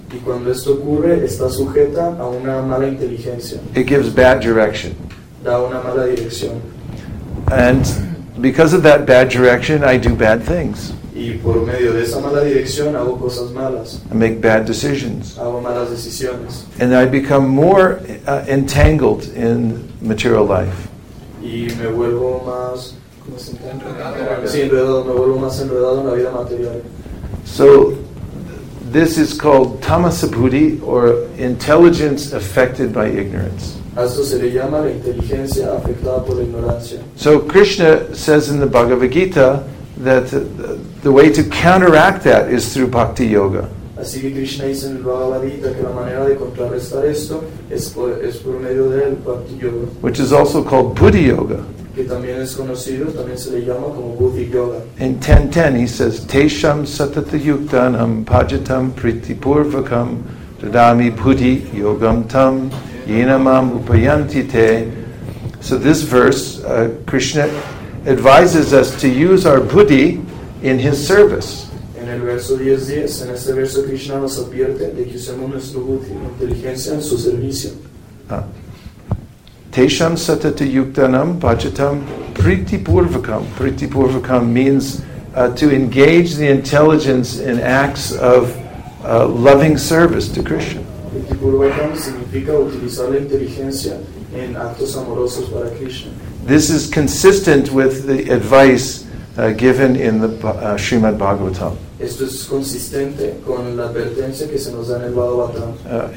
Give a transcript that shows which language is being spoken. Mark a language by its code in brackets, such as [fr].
[es] Y cuando esto ocurre, está sujeta a una mala inteligencia. [en] It gives bad direction. [es] Da una mala dirección. [en] And because of that bad direction, I do bad things. [es] Y y por medio de esa mala dirección hago cosas malas. [en] I make bad decisions. [es] Hago malas decisiones. [en] And I become more entangled in material life. [es] Y me vuelvo más, ¿cómo se entiende? Sí, enredado. Me vuelvo más enredado en la vida material. [en] So this is called tamasabuddhi, or intelligence affected by ignorance. [es] Esto se le llama la inteligencia afectada por la ignorancia. [en] So Krishna says in the Bhagavad Gita that the way to counteract that is through bhakti yoga. [es] Así que Krishna dice en el Bhagavad Gita que la manera de contrarrestar esto es por medio del bhakti yoga, [en] which is also called buddhi yoga. [es] Que también es conocido, también se le llama como buddhi yoga. [en] In 10:10 he says, [sa] Tesham satata yuktanam pajatam pritipurvakam dadami buddhi yogam tam yenamam upayanti te. [en] So this verse, Krishna advises us to use our buddhi in his service. [es] En el verso 10:10, en este verso Krishna nos advierte de que usemos nuestro buddhi, inteligencia, en su servicio. [sa] Tesham satata yuktanam bhajatam pritipurvakam. [en] Pritipurvakam means to engage the intelligence in acts of loving service to Krishna. [es] Pritipurvakam significa utilizar la inteligencia en actos amorosos para Krishna. [en] This is consistent with the advice given in the Srimad Bhagavatam. [es] Esto es consistente con la advertencia que se nos da en el Bhagavatam.